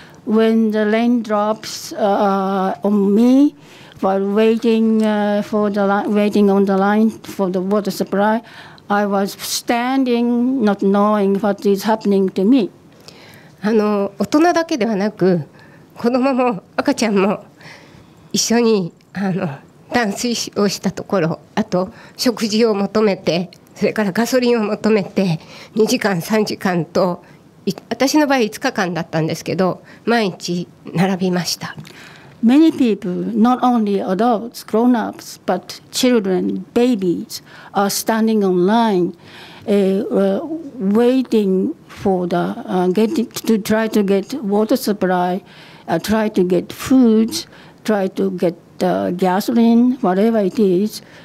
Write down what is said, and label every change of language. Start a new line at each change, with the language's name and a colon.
English: When the rain drops on me while waiting on the line for the water supply, I was standing, not knowing what is happening to me.
Japanese: 大人だけではなく子供も赤ちゃんも一緒に断水をしたところ、あと食事を求めて。それからガソリンを求めて2時間3時間と私の場合5日間だったんですけど毎日並びました。
English: Many people, not only adults, grown-ups, but children, babies, are standing on line, waiting for the getting to try to get water supply, try to get food, try to get gasoline, whatever it is.